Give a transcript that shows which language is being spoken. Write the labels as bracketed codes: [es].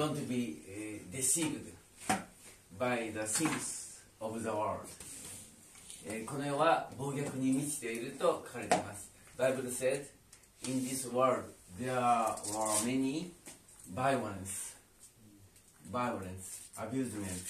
[en] Don't be deceived by the things of the world. [ja] この世は暴虐に満ちていると書かれています。 [en] Bible says, In this world, there were many violence, abusement.